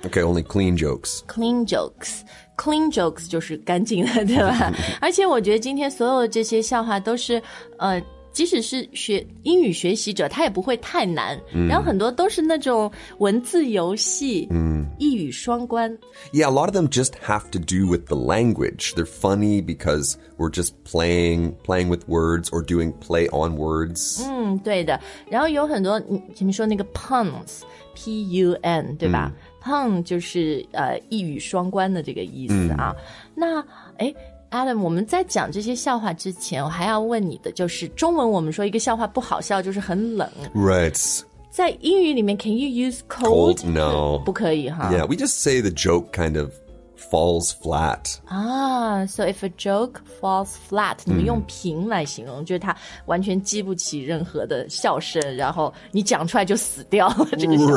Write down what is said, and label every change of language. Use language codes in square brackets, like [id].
[en] Okay, only clean jokes Clean jokes Clean jokes [zh] 就是干净的对吧而且我觉得今天所有这些笑话都是即使是学英语学习者他也不会太难、 mm. 然后很多都是那种文字游戏、 mm. 一语双关 [en] Yeah, a lot of them just have to do with the language They're funny because we're just playing with words or doing play on words [zh] 嗯，对的然后有很多前面说那个 puns P-U-N, 对吧、mm. pun 就是一语双关的这个意思啊、mm. 那诶Adam, 我们在讲这些笑话之前，我还要问你的就是，中文我们说一个笑话不好笑，就是很冷。 [en] Right. [zh] 在英语里面， [en] can you use cold? Cold? No. [zh] 不可以哈。 [en] Yeah, we just say the joke kind of falls flat. Ah, so if a joke falls flat, [zh] 你们用平来形容，就是它完全激不起任何的笑声，然后你讲出来就死掉了这个笑话。